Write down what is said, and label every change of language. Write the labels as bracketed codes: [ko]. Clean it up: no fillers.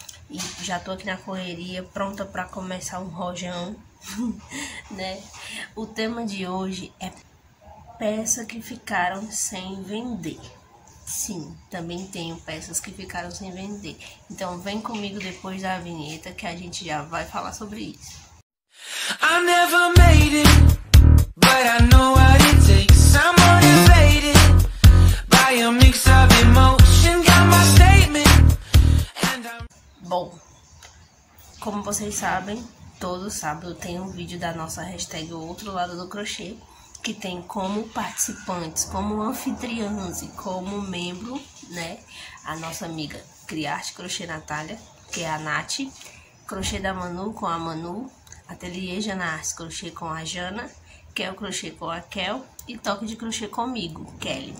[pt] E já tô aqui na correria, pronta pra começar um rojão, né? O tema de hoje é peças que ficaram sem vender. Sim, também tenho peças que ficaram sem vender. Então vem comigo depois da vinheta que a gente já vai falar sobre isso. [en] I never made it, but I know what it takes. Someone invaded by a mix of emotion. Got my statement. [pt] Bom, como vocês sabem, todo sábado tem um vídeo da nossa hashtag Outro Lado do Crochê, que tem como participantes, como anfitriãs e como membro, né, a nossa amiga Criarte Crochê Natália, que é a Nath, Crochê da Manu com a Manu, Ateliê Jana Arts Crochê com a Jana, Kel Crochê com a Kel e Toque de Crochê comigo, Kelly.